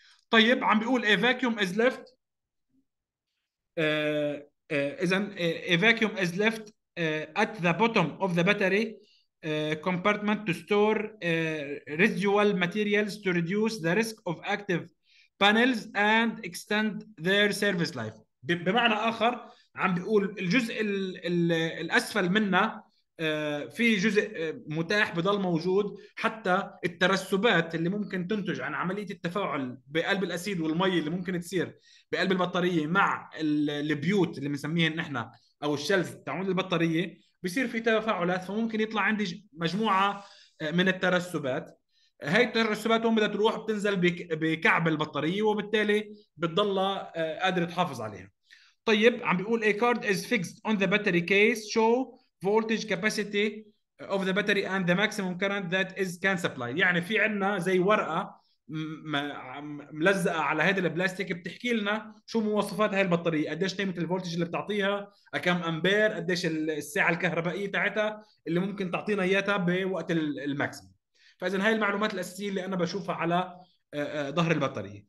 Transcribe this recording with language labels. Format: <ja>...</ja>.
<ar>طيب عم بيقول</ar> <en>a vacuum is left،</en> <ar>اذا</ar> <en>a vacuum is left at the bottom of the battery compartment to store residual materials to reduce the risk of active panels and extend their service life.</en> <ar>بمعنى اخر عم بيقول الجزء الاسفل منها في جزء متاح بضل موجود حتى الترسبات اللي ممكن تنتج عن عمليه التفاعل بقلب الاسيد والمي اللي ممكن تصير بقلب البطاريه مع البيوت اللي بنسميها نحن، او الشلز تاعون البطاريه، بصير في تفاعلات، فممكن يطلع عندي مجموعه من الترسبات. هاي الترسبات هم بدها تروح بتنزل بكعب البطاريه، وبالتالي بتضل قادره تحافظ عليها. طيب عم بيقول</ar> <en>a card is fixed on the battery case show voltage capacity of the battery and the maximum current that is can supply.</en> <ar>يعني في عنا زي ورقة ملزقة على هذا البلاستيك بتحكي لنا شو مواصفات هاي البطارية، قديش قيمة الفولتج اللي بتعطيها، كم أمبير، قديش الساعة الكهربائية تاعتها اللي ممكن تعطينا إياها بوقت الماكسيم. فإذا هاي المعلومات الأساسية اللي أنا بشوفها على ظهر البطارية.</ar>